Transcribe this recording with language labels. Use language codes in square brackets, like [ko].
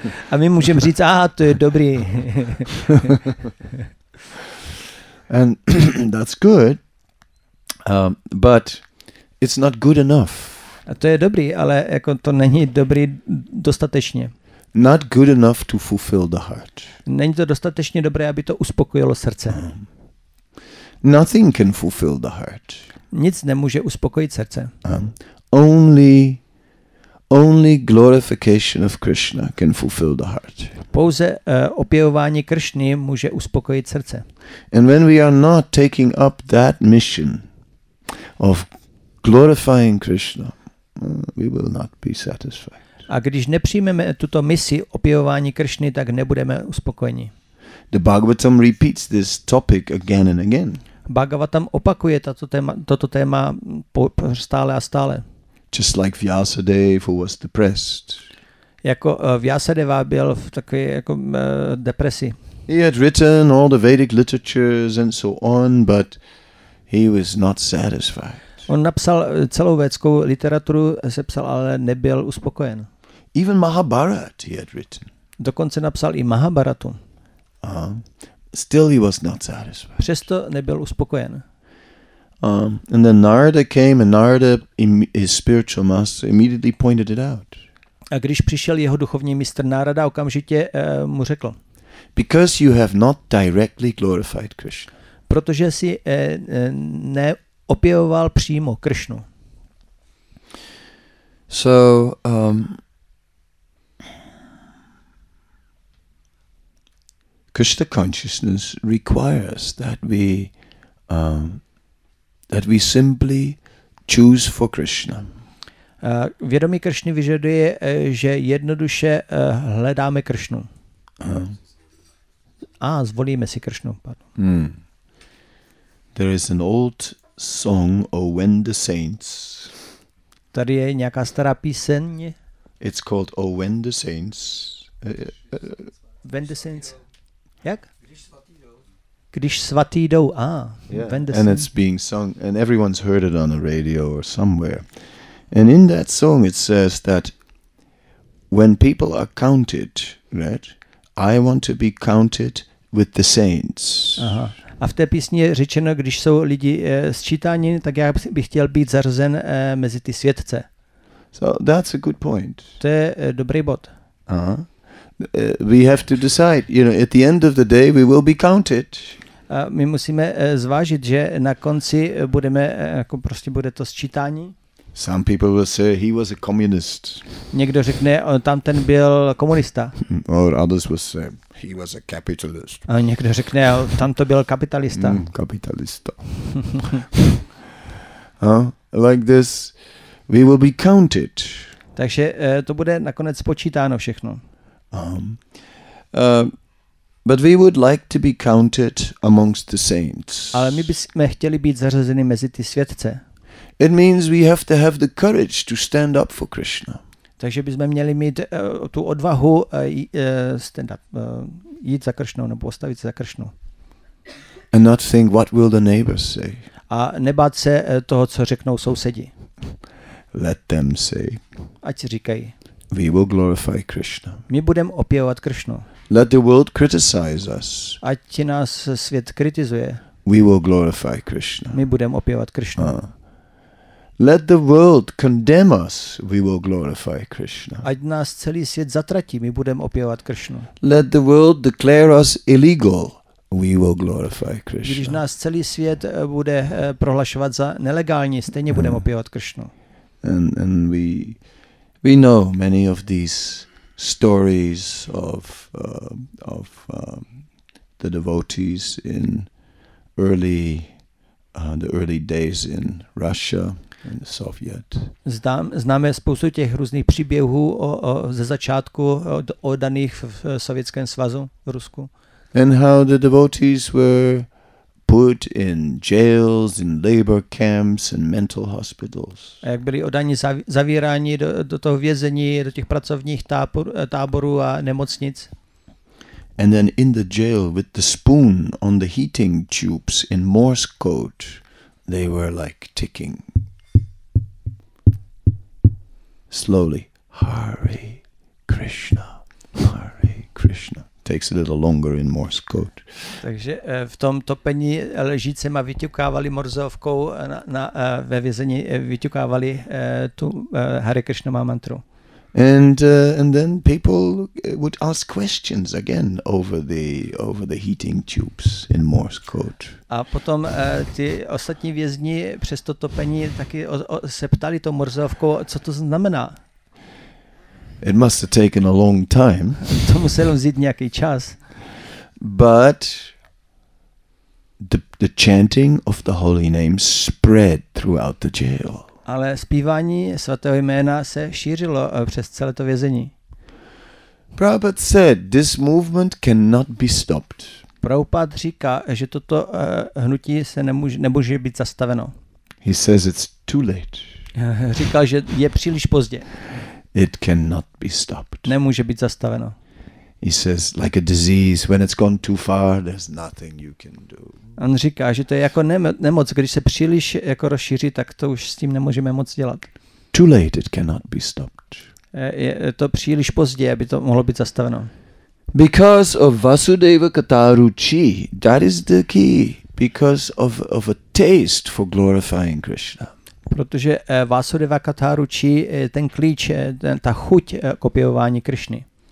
[cs] A my můžeme říct, aha, to je dobrý. [en] And that's good, but it's not good enough. [cs] A to je dobrý, ale jako to není dobrý dostatečně. [en] Not good enough to fulfill the heart. [cs] Není to dostatečně dobré, aby to uspokojilo srdce. [en] Nothing can fulfill the heart. [cs] Nic nemůže uspokojit srdce. [en] Only glorification of Krishna can fulfill the heart. [cs] Pouze opěvování Kršny může uspokojit srdce. [en] And when we are not taking up that mission of glorifying Krishna, we will not be satisfied. [cs] A když nepřijmeme tuto misi opěvování Kršny, tak nebudeme uspokojeni. [en] The Bhagavatam repeats this topic again and again. [cs] Bhagavatam opakuje toto téma stále a stále. [en] Just like Vyasadev, who was depressed. [cs] Jako Vyasadeva byl v takové jako depresi. [en] He had written all the Vedic literatures and so on, but he was not satisfied. [cs] On napsal celou védskou literaturu, sepsal, ale nebyl uspokojen. [en] Even Mahabharat he had written. [cs] Dokonce napsal i Mahabharatu. [en] Still he was not satisfied. [cs] Přesto nebyl uspokojen. [en] And then Narada came, and Narada, his spiritual master, immediately pointed it out. [cs] A když přišel jeho duchovní mistr Narada, okamžitě mu řekl. [en] Because you have not directly glorified Krishna. [cs] Protože si neopěvoval přímo Kršnu. [en] So Krishna consciousness requires that we that we simply choose for Krishna. [cs] Vědomí Kršny vyžaduje, že jednoduše hledáme Kršnu. Zvolíme si Kršnu. [en] There is an old song, O When the Saints. [cs] Tady je nějaká stará píseň. [en] It's called O When the Saints. When the Saints. [cs] Jak? Když svatý jdou, [en] And it's being sung, and everyone's heard it on the radio or somewhere. And in that song it says that when people are counted, right, I want to be counted with the saints. [cs] Aha. A v té písni je řečeno, když jsou lidi sčítáni, tak já bych chtěl být zařazen mezi ty světce. [en] So that's a good point. [cs] To je dobrý bod. [en] We have to decide, you know, at the end of the day we will be counted. [cs] My musíme zvážit, že na konci budeme, jako prostě bude to sčítání. [en] Some people will say he was a communist. [cs] Někdo řekne, tam ten byl komunista. [en] Or others will say he was a capitalist. [cs] A někdo řekne, tam to byl kapitalista. Kapitalista. [en] Like this, we will be counted. [cs] Takže to bude nakonec počítáno všechno. [en] But we would like to be counted amongst the saints. [cs] Ale my bychom chtěli být zařazeni mezi ty světce. [en] It means we have to have the courage to stand up for Krishna. [cs] Takže bychom měli mít tu odvahu [en] stand up, [cs] jít za Kršnou nebo postavit se za Kršnu. [en] And not think what will the neighbors say. [cs] A nebát se toho, co řeknou sousedi. [en] Let them say. [cs] Ať si říkají. [en] We will glorify Krishna. [cs] My budeme opěvovat Kršnu. [en] Let the world criticize us. [cs] Ať nás svět kritizuje. [en] We will glorify Krishna. [cs] My budeme opěvat Krishna. [en] Let the world condemn us. We will glorify Krishna. [cs] Ať nás celý svět zatratí, my budeme opěvat Krishna. [en] Let the world declare us illegal. We will glorify Krishna. [cs] Když nás celý svět bude prohlašovat za nelegální, stejně budeme opěvat Krishna. [en] And we know many of these stories of the devotees in early the early days in Russia and the Soviet. [cs] Známe spoustu těch různých příběhů ze začátku odaných v Sovětském svazu v Rusku. [en] And how the devotees were put in jails, in labor camps, and mental hospitals. [cs] A jak byli odani zavíráni do toho vězení, do těch pracovních táborů a nemocnic. [en] And then in the jail with the spoon on the heating tubes in Morse code, they were like ticking. Slowly, Hare Krishna, Hare Krishna. Takes a little longer in Morse code. [cs] Takže v tom topení ležícím a vyťukávali morzovkou ve vězení vyťukávali tu Hare Krishna mantru. [en] And then people would ask questions again over the heating tubes in Morse code. [cs] A potom ty ostatní vězni přes to topení taky se ptali tou morzovkou, co to znamená. [en] It must have taken a long time. [cs] To muselo vzít nějaký čas. [en] But the chanting of the holy name spread throughout the jail. [cs] Ale zpívání svatého jména se šířilo přes celé to vězení. [en] Prabhupada said this movement cannot be stopped. [cs] Prabhupada říká, že toto hnutí se nemůže být zastaveno. [en] He says it's too late. [cs] Říkal, že je příliš pozdě. [en] It cannot be stopped. [cs] Nemůže být zastaveno. [en] He says, like a disease, when it's gone too far, there's nothing you can do. [cs] On říká, že to je jako nemoc, když se příliš jako rozšíří, tak to už s tím nemůžeme moc dělat. [en] Too late, it cannot be stopped. [cs] Je to příliš pozdě, aby to mohlo být zastaveno. [en] Because of Vasudeva Kataruchi, that is the key. Because of a taste for glorifying Krishna. [cs] Protože Vasudeva Kataruchi je ten klíč, ta chuť kopiování Krishny.